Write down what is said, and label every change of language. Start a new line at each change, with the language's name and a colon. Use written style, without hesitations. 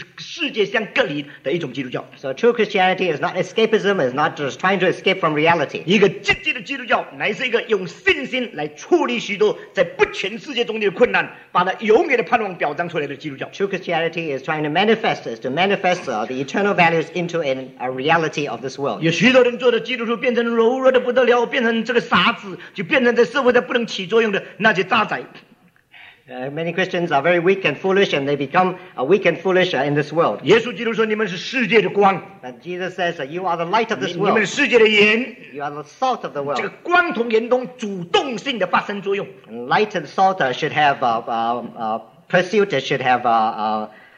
English: So true Christianity is not escapism, it's not just trying to escape from reality. True Christianity is trying to manifest, is to manifest the eternal values into a reality of this world.
Chinese: 柔弱的不得了,变成这个傻子,就变成这社会的不能起作用的,那些渣仔。
English: Many Christians are very weak and foolish, and they become weak and foolish in this world.
Chinese: 耶稣基督说,你们是世界的光。
English: But Jesus says, you are the light of this world.
Chinese: 你们是世界的盐。
English: You are the salt of the world.
Chinese: 这个光同盐同主动性的发生作用。
English: And light and salt should have pursuit, should have